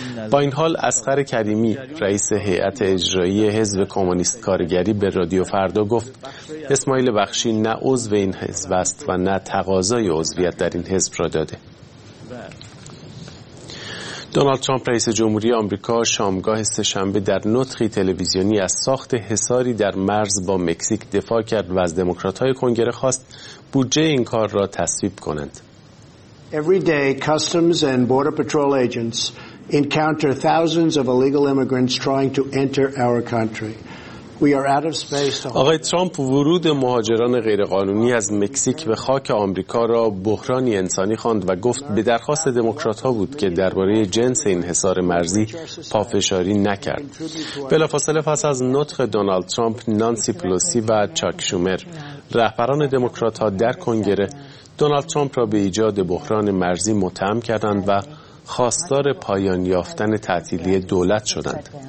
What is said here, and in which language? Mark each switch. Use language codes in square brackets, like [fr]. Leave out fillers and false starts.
[fa] با این حال اصغر کریمی رئیس هیئت اجرایی حزب کمونیست کارگری به رادیو فردا گفت اسماعیل بخشی نه عضو این حزب است و نه تقاضای عضویت در این حزب را داده. دونالد ترامپ رئیس جمهوری آمریکا شامگاه سه‌شنبه در نطقی تلویزیونی از ساخت حصاری در مرز با مکزیک دفاع کرد و از دموکرات‌های کنگره خواست بودجه این کار را تصویب کنند. [en] Every day, customs and border patrol agents encounter thousands of illegal immigrants trying to enter our country. We are out of space. [fa] آقای ترامپ ورود مهاجران غیرقانونی از مکزیک به خاک آمریکا را بحرانی انسانی خواند و گفت به درخواست دموکرات‌ها بود که درباره جنس این حصار مرزی پافشاری نکرد. بلافاصله پس از نطق دونالد ترامپ، نانسی پلوسی و چاک شومر، رهبران دموکرات‌ها در کنگره دونالد ترامپ را به ایجاد بحران مرزی متهم کردند و خواستار پایان یافتن تعطیلی دولت شدند.